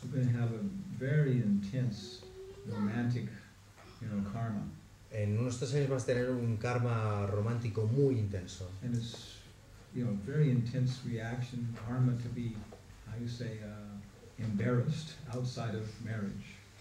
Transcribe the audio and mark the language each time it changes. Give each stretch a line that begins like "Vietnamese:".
English: we're going to have a very intense romantic, you know, karma.
Spanish: En unos 3 años vas a tener un karma romántico muy intenso.
English: And it's, you know, very intense reaction karma to be, how you say, embarrassed outside of marriage.